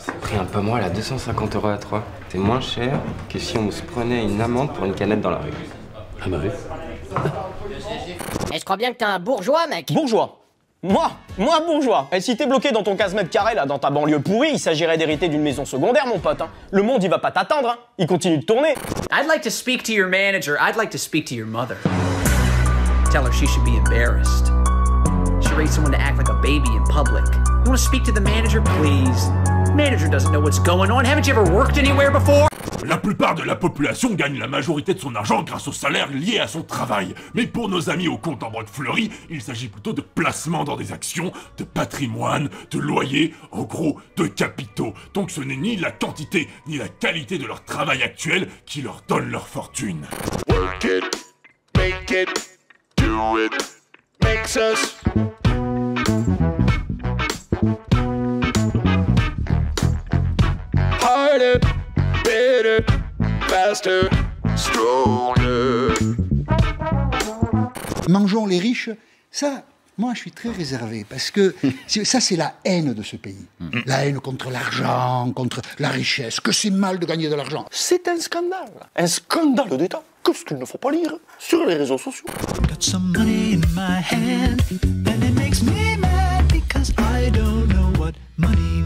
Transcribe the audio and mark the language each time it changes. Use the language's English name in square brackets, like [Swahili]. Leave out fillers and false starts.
[French] C'est pris un peu moins là, 250 euros à 3. C'est moins cher que si on se prenait une amende pour une canette dans la rue. Ah bah oui. Et je crois bien que t'es un bourgeois, mec. Bourgeois? Moi bourgeois? Et si t'es bloqué dans ton 15 mètres carrés, là, dans ta banlieue pourrie, il s'agirait d'hériter d'une maison secondaire, mon pote. Hein. Le monde, il va pas t'attendre, hein. Il continue de tourner. [English] I'd like to speak to your manager, I'd like to speak to your mother. Tell her she should be embarrassed. Raise someone to act like a baby in public. You want to speak to the manager, please? Manager doesn't know what's going on. Haven't you ever worked anywhere before? [French] La plupart de la population gagne la majorité de son argent grâce au salaire lié à son travail. Mais pour nos amis au compte en banque fleurie, il s'agit plutôt de placements dans des actions, de patrimoine, de loyers, en gros, de capitaux. Donc ce n'est ni la quantité ni la qualité de leur travail actuel qui leur donne leur fortune. [English] Work it, make it, do it. Harder, better, faster, stronger. [French] Mangeons les riches, ça, moi je suis très réservé parce que ça c'est la haine de ce pays. La haine contre l'argent, contre la richesse, que c'est mal de gagner de l'argent. C'est un scandale. Un scandale d'État. Qu'est-ce qu'il ne faut pas lire sur les réseaux sociaux? [English] Got some money in my hand, and it makes me mad because I don't know what money